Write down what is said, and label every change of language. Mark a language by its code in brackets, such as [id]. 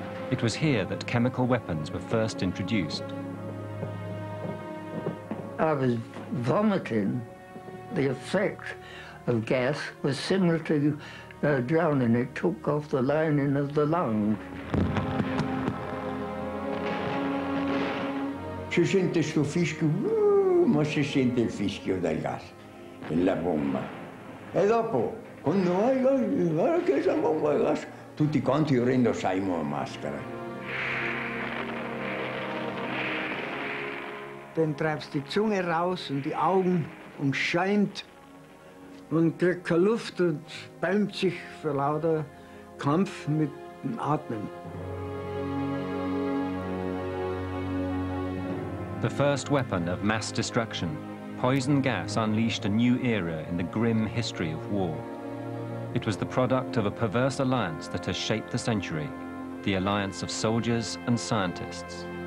[en] It was here that chemical weapons were first introduced. I was vomiting. The effect of gas was similar to drowning. It took off the lining of the lung. [it] Si sente sto fischio, ma si sente il fischio del gas e la bomba. E dopo, quando vai, guarda che c'è la bomba del gas, tutti quanti urlando, saimo la maschera. [de] Dann treibst die Zunge raus und die Augen und scheint und kriegt keine Luft und bäumt sich für lauter Kampf mit dem Atmen. [en] The first weapon of mass destruction, poison gas unleashed a new era in the grim history of war. It was the product of a perverse alliance that has shaped the century, the alliance of soldiers and scientists.